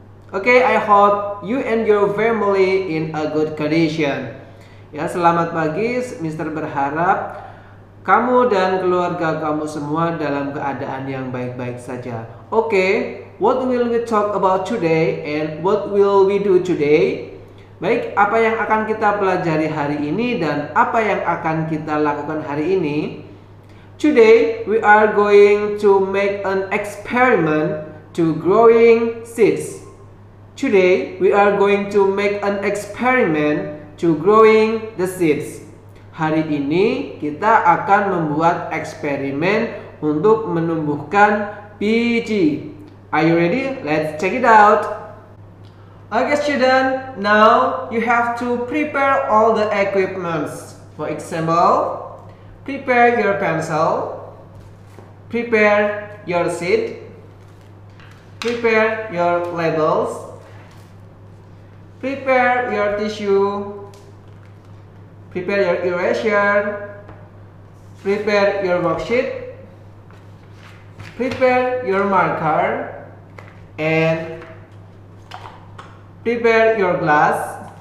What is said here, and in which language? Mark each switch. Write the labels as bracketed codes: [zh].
[en] Okay, I hope you and your family in a good condition. [id] Ya, selamat pagi, Mister berharap kamu dan keluarga kamu semua dalam keadaan yang baik-baik saja. [en] Okay, what will we talk about today and what will we do today? [id] Baik, apa yang akan kita pelajari hari ini dan apa yang akan kita lakukan hari ini? [en] Today, we are going to make an experiment to growing seeds. Today, we are going to make an experiment to growing the seeds. [id] Hari ini, kita akan membuat eksperimen untuk menumbuhkan biji. [en] Are you ready? Let's check it out! Okay, student, now you have to prepare all the equipments. For example, prepare your pencil, prepare your seed, prepare your labels, prepare your tissue, prepare your erasure, prepare your worksheet, prepare your marker, and prepare your glass.